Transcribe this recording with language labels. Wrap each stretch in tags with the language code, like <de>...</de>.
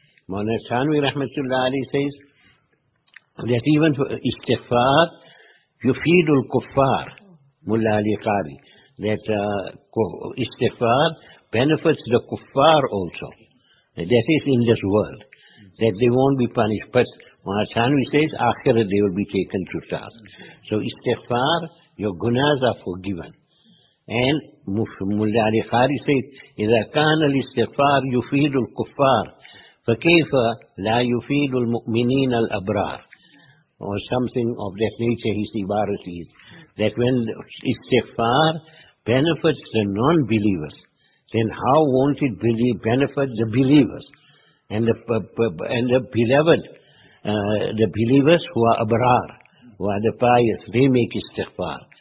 <en>Mawlana Thanwi Rahmatullah Ali says that even istighfar,</en> <ar>yufidul kuffar,</ar> <en>Mullah Ali Qari, that istighfar benefits the kuffar also. That is in this world. That they won't be punished. But Mawlana Thanwi says, akhirah they will be taken to task. So istighfar, your gunas are forgiven. And Mullah Ali Qari says,</en> <ar>إِذَا كَانَ الْإِسْتِغْفَارُ يُفِيدُ الْكُفَّارِ فَكَيْفَ لَا يُفِيدُ الْمُؤْمِنِينَ الْأَبْرَارِ.</ar> <en>Or something of that nature, his ibarat is. That when istighfar benefits the non-believers, then how won't it benefit the believers and the beloved, the believers who are abrar, who are the pious, they make istighfar.</en>